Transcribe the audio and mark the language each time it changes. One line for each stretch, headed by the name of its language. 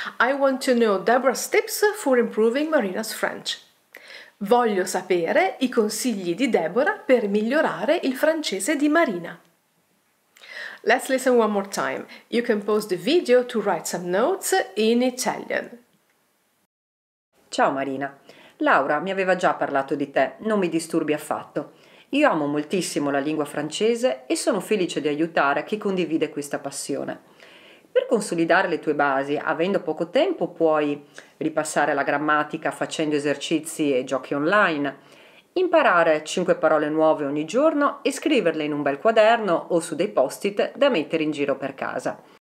English: I want to know Deborah's tips for improving Marina's French.
Italian: Voglio sapere i consigli di Deborah per migliorare il francese di Marina.
English: Let's listen one more time. You can pause the video to write some notes in Italian.
Italian: Ciao Marina. Laura mi aveva già parlato di te, non mi disturbi affatto. Io amo moltissimo la lingua francese e sono felice di aiutare chi condivide questa passione. Per consolidare le tue basi, avendo poco tempo, puoi ripassare la grammatica facendo esercizi e giochi online, imparare 5 parole nuove ogni giorno e scriverle in un bel quaderno o su dei post-it da mettere in giro per casa.